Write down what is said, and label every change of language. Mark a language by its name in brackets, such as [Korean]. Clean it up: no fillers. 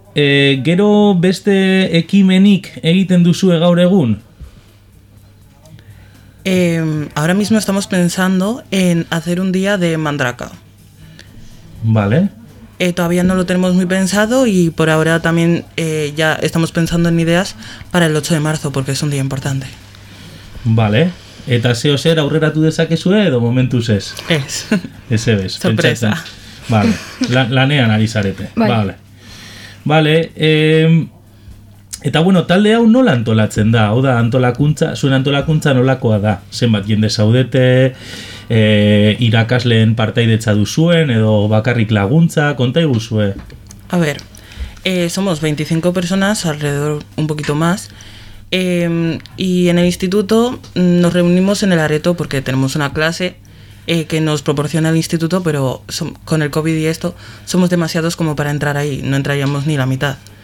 [Basque] Gero beste ekimenik egiten duzue gaur egun? [Spanish] Ahora mismo estamos pensando en hacer un día de mandraka. Vale. Todavía no lo tenemos muy pensado y por ahora también ya estamos pensando en ideas para el 8 de marzo porque es un día importante. Vale. [Basque] Eta zeo zer aurreratu dezakezue edo momentuz ez? Ez. Ez ebes. Sorpresa. Pentsatzen. Vale. Lanean ari zarete. Vale. Vale, eta bueno, talde hau nola antolatzen da? Hau da, antolakuntza, zuen antolakuntza nolakoa da? Zenbat jende zaudete, irakasleen partaidetza duzuen, edo bakarrik laguntza, konta iguzue? [Spanish] A ver, somos 25 personas, alrededor un poquito más, y en el instituto nos reunimos en el areto porque tenemos una clase que nos proporciona el instituto, pero con el COVID y esto, somos demasiados como para entrar ahí, no entraríamos ni la mitad.